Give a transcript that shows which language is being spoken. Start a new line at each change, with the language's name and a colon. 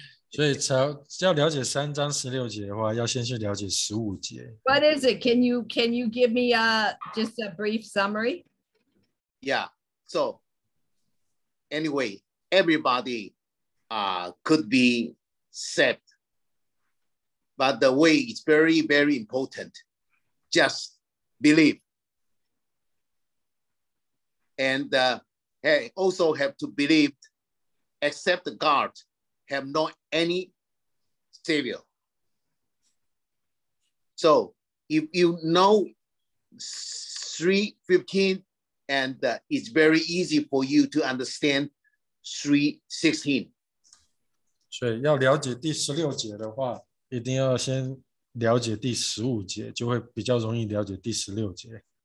Chinese: 所以要了解3章16节的话, 要先去了解15节。
English: What is it? Can you give me just a brief summary? Yeah, so anyway, everybody could be saved. But the way is very, very important. Just believe. And also have to believe, except God, have not any savior. So if you know 3:15, and it's very easy for you to understand 3:16.
Chinese: 所以要了解第16节的话, 一定要先了解第15节, 就会比较容易了解第16节。